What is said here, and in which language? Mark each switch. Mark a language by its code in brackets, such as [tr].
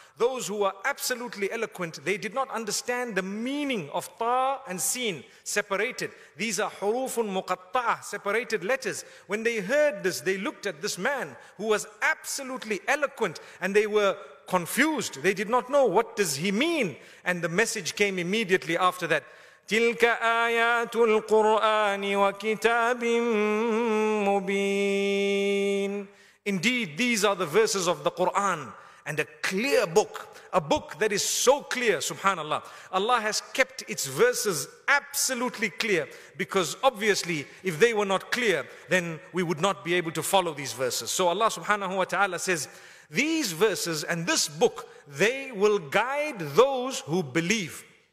[en] Those who were absolutely eloquent, they did not understand the meaning of ta and seen separated. These are hurufun muqatta'ah, separated letters. When they heard this, they looked at this man who was absolutely eloquent and they were confused. They did not know what does he mean. And the message came immediately after that. [ar] تلك آيات القرآن وكتاب مبين. [en] Indeed, these are the verses of the Quran and a clear book, a book that is so clear, subhanallah. Allah has kept its verses absolutely clear because obviously if they were not clear, then we would not be able to follow these verses. So Allah subhanahu wa ta'ala says, these verses and this book, they will guide those who believe.